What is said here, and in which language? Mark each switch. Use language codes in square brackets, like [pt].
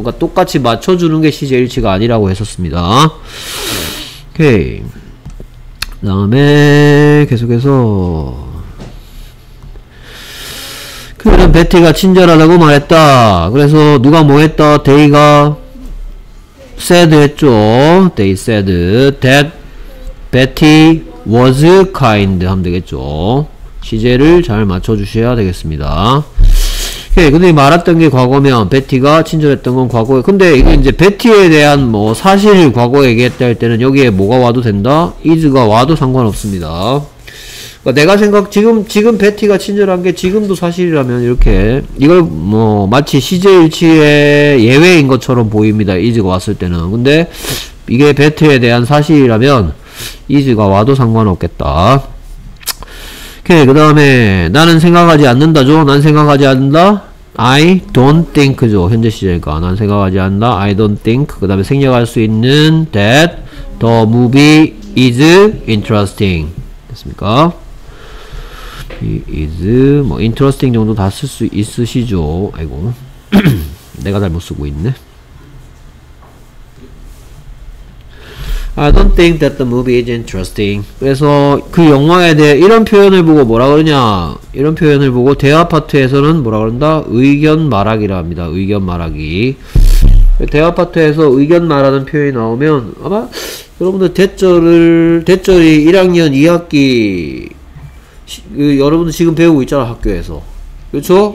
[ko] 그러니까 똑같이 맞춰주는 게 시제일치가 아니라고 했었습니다. 오케이. 그 다음에 계속해서 그는 베티가 친절하다고 말했다. 그래서 누가 뭐 했다? 데이가 said 했죠. [en] They said that Betty was kind [ko] 하면 되겠죠. 시제를 잘 맞춰주셔야 되겠습니다. 오케이. 근데 말했던 게 과거면 베티가 친절했던 건 과거에 근데 이게 이제 베티에 대한 뭐 사실을 과거에 얘기했다 할 때는 여기에 뭐가 와도 된다? is가 와도 상관없습니다. 내가 생각 지금 베티가 친절한 게 지금도 사실이라면 이렇게 이걸 뭐 마치 시제일치의 예외인 것처럼 보입니다. 이즈가 왔을 때는 근데 이게 베티에 대한 사실이라면 이즈가 와도 상관없겠다. 오케이. 그 다음에 나는 생각하지 않는다죠. 난 생각하지 않는다. [en] I don't think [ko] 죠. 현재 시제니까 난 생각하지 않는다. [en] I don't think. [ko] 그 다음에 생략할 수 있는 [en] that the movie is interesting [ko] 됐습니까? is 뭐 interesting 정도 다 쓸 수 있으시죠. 아이고 내가 잘못 쓰고 있네. [en] I don't think that the movie is interesting. [ko] 그래서 그 영화에 대해 이런 표현을 보고 뭐라 그러냐 이런 표현을 보고 대화파트에서는 뭐라 그런다? 의견 말하기라 합니다. 의견 말하기. 대화파트에서 의견 말하는 표현이 나오면 아마 여러분들 대절이 1학년 2학기 여러분들 지금 배우고 있잖아 학교에서 그렇죠?